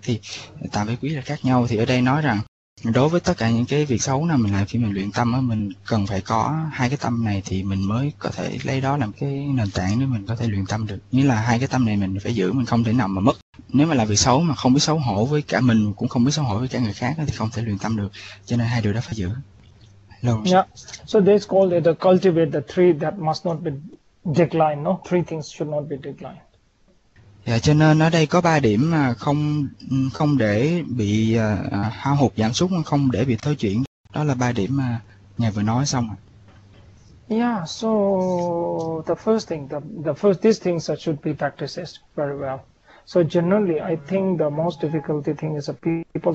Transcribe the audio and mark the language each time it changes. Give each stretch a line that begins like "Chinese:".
Vietnamese: Thì tàm với quý là khác nhau. Thì ở đây nói rằng đối với tất cả những cái việc xấu nào mình làm khi mình luyện tâm á, mình cần phải có hai cái tâm này thì mình mới có thể lấy đó làm cái nền tảng để mình có thể luyện tâm được. Nghĩa là hai cái tâm này mình phải giữ, mình không thể nào mà mất. Nếu mà làm việc xấu mà không biết xấu hổ với cả mình, cũng không biết xấu hổ với cả người khác thì không thể luyện tâm được. Cho nên hai điều đó phải giữ. Lâu rồi.
English: Yeah, so this called it a cultivate the three that must not be declined, no? Three things should not be declined.
Vietnamese: Dạ, cho nên ở đây có ba điểm mà không không để bị hao hụt giảm sút, không để bị thối chuyển. Đó là ba điểm mà ngài vừa nói xong rồi.
English: So the first things that should be practiced very well. So generally, I think the most difficulty thing is the people.